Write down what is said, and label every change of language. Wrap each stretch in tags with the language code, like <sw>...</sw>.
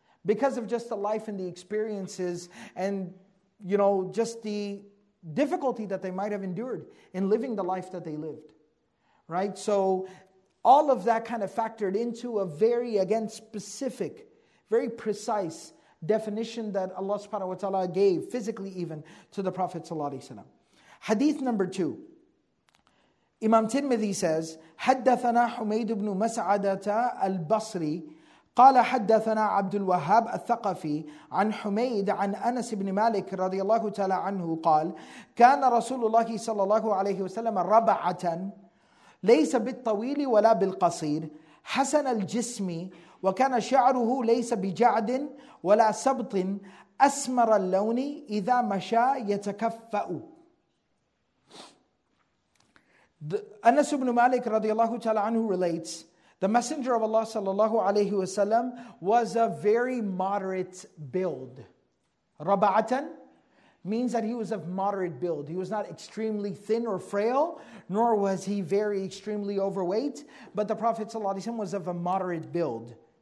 <en>Because of just the life and the experiences and, you know, just the difficulty that they might have endured in living the life that they lived, right? So all of that kind of factored into a very, again, specific, very precise definition that Allah subhanahu wa ta'ala gave, physically even, to the Prophet sallallahu alaihi wasallam. Hadith number two. Imam Tirmidhi says,</en> <ar>حَدَّثَنَا حُمَيْدُ بْنُ مَسْعَدَةَ الْبَصْرِ قَالَ حَدَّثَنَا عَبْدُ الْوَهَابَ الثَّقَفِي عَنْ حُمَيْدَ عَنْ أَنَسِ بْنِ مَالِكِ رضي الله تعالى عنه قال كان رسول الله صلى الله عليه وسلم ربعة ليس بالطويل ولا بالقصير حسن الجسم وكان شعره ليس بجعد ولا سبط أسمر اللون إذا مشى يتكفأ.</ar> <en>Anas ibn Malik radiallahu ta'ala anhu relates, the Messenger of Allah sallallahu alayhi wa sallam was a very moderate build. Raba'atan means that he was of moderate build. He was not extremely thin or frail, nor was he very extremely overweight, but the Prophet sallallahu alayhi wa sallam was of a moderate build.</en>